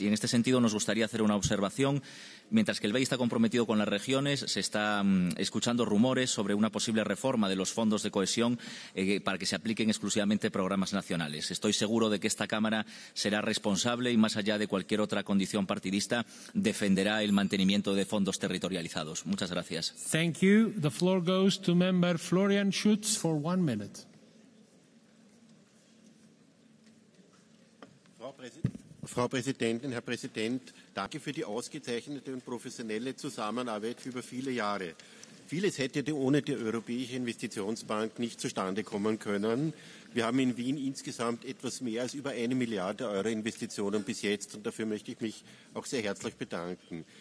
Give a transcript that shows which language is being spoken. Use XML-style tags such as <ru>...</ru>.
<es>Y en este sentido, nos gustaría hacer una observación. Mientras que el BEI está comprometido con las regiones, se están escuchando rumores sobre una posible reforma de los fondos de cohesión para que se apliquen exclusivamente programas nacionales. Estoy seguro de que esta Cámara será responsable y, más allá de cualquier otra condición partidista, defenderá el mantenimiento de fondos territorializados. Muchas gracias.</es> <en>Thank you. The floor goes to Member Florian Schütz for 1 minute.</en> <de>Frau Präsidentin, Herr Präsident, danke für die ausgezeichnete und professionelle Zusammenarbeit über viele Jahre. Vieles hätte ohne die Europäische Investitionsbank nicht zustande kommen können. Wir haben in Wien insgesamt etwas mehr als über 1 Milliarde Euro Investitionen bis jetzt und dafür möchte ich mich auch sehr herzlich bedanken.</de>